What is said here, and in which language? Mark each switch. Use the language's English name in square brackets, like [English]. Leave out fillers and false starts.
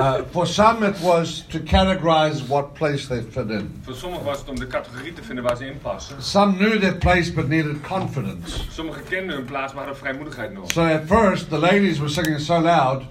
[English] For some it was to categorize what place they fit in. [Dutch] Voor sommigen was het om de categorie te vinden waar ze in passen. [English] Some knew their place but needed confidence. [Dutch] Sommigen kenden hun plaats maar hadden vrijmoedigheid nodig. [English] So at first the ladies were singing so loud.